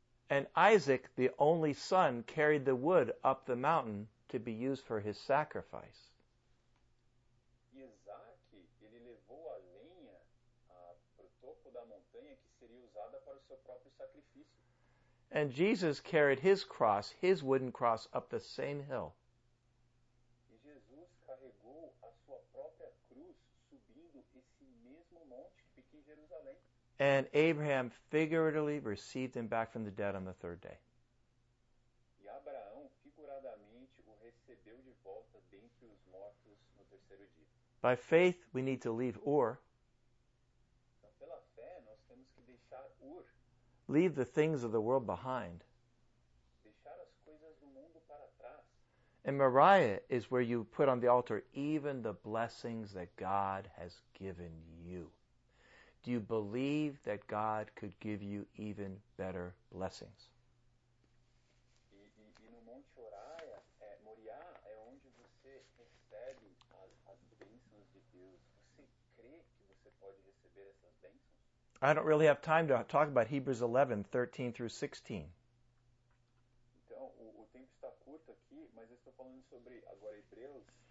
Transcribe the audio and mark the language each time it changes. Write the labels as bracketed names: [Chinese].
[English] And Isaac, the only son, carried the wood up the mountain to be used for his sacrifice. [Portuguese] Isaac, ele levou a lenha para o topo da montanha que seria usada para o seu próprio sacrifício. [English] And Jesus carried his cross, his wooden cross, up the same hill. [Portuguese] E Jesus carregou a sua própria cruz subindo esse mesmo monte que fica em Jerusalém. [English] And Abraham figuratively received him back from the dead on the third day. [Portuguese] E Abraão figuradamente o recebeu de volta dentre os mortos no terceiro dia. [English] By faith, we need to leave Ur. [Portuguese] Então, pela fé, nós temos que deixar Ur. [English] Leave the things of the world behind. [Portuguese] Deixar as coisas do mundo para trás. [English] And Moriah is where you put on the altar even the blessings that God has given you. Do you believe that God could give you even better blessings? [Portuguese] E no Monte Moriá é onde você recebe as bênçãos de Deus. Você crê que você pode receber essas bênçãos? [English] I don't really have time to talk about Hebrews 11, 13 through 16. [Portuguese] Então, o tempo está curto aqui, mas eu estou falando sobre agora Hebreus.